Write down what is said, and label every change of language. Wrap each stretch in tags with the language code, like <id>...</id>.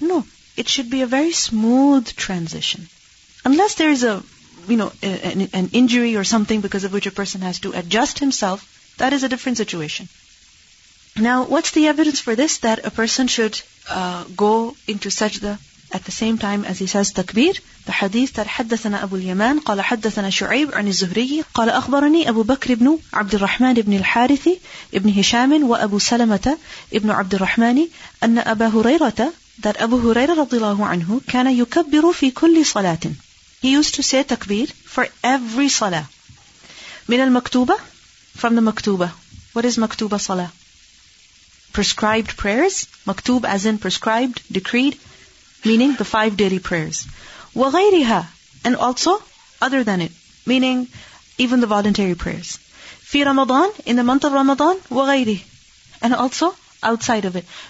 <en>No, it should be a very smooth transition. Unless there is a, you know, an injury or something because of which a person has to adjust himself, that is a different situation. Now, what's the evidence for this, that a person should go into sajda at the same time as he says takbir?</en> <ar>The hadith that حدثنا أبو اليمان قال حدثنا شعيب عن الزهري قال أخبرني أبو بكر بن عبد الرحمن بن الحارث بن هشام وأبو سلمة بن عبد الرحمن أن أبا هريرة,</ar> <en>that Abu Huraira</en> <ar>رضي الله عنه كان يكبر في كل صلاة.</ar> <en>He used to say takbir for every salah.</en> <ar>من المكتوبة,</ar> <en>from the</en> <ar>مكتوبة.</ar> <en>What is</en> <ar>مكتوبة صلاة?</ar> <en>Prescribed prayers, maktub as in prescribed, decreed, meaning the five daily prayers.</en> <ar>وَغَيْرِهَا,</ar> <en>and also other than it, meaning even the voluntary prayers.</en> <ar>فِي رَمَضَان,</ar> <en>in the month of Ramadan,</en> <ar>وَغَيْرِهِ,</ar> <en>and also outside of it.</en>